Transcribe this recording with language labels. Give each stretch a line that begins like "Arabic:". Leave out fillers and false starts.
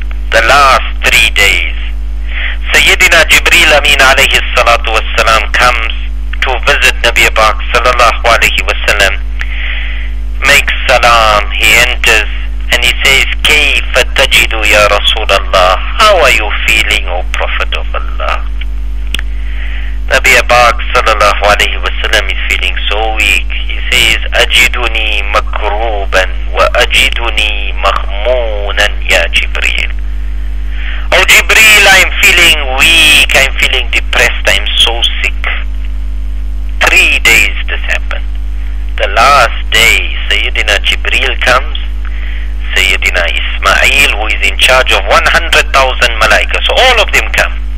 English: The last 3 days, Sayyidina Jibreel Amin alayhi salatu wassalam comes to visit Nabi Pak sallallahu alayhi wasallam, makes salam, he enters and he says,
Arabic: كيف تجد يا رسول الله?
English: How are you feeling, O Prophet of Allah? Nabi Pak sallallahu alayhi wasallam is feeling so weak. He says,
Arabic: أجدني مكروبا وأجدني مخمونا يا جبريل.
English: Oh Jibreel, I'm feeling weak, I'm feeling depressed, I'm so sick. 3 days this happened. The last day, Sayyidina Jibreel comes, Sayyidina Ismail, who is in charge of 100,000 malaika, so all of them come.